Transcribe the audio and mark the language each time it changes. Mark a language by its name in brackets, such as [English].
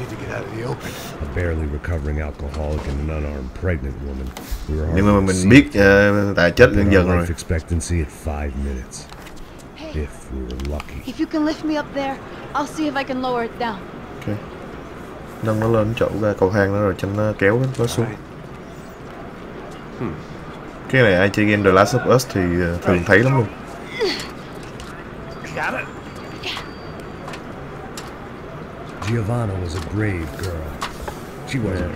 [English] A barely recovering alcoholic and an unarmed pregnant woman. [Vietnamese] Nhưng mà mình biết tại chết dần dần rồi. [English] Expectancy at 5 minutes. If we were lucky. If you can lift me up there, I'll see if I can lower it down. Okay. [Vietnamese] Nâng nó lên chỗ ra cầu thang đó rồi cho nó kéo nó xuống. Cái này ai chơi game The Last of Us thì thường thấy lắm luôn. [English] Got it. Giovanna was a brave girl. She wasn't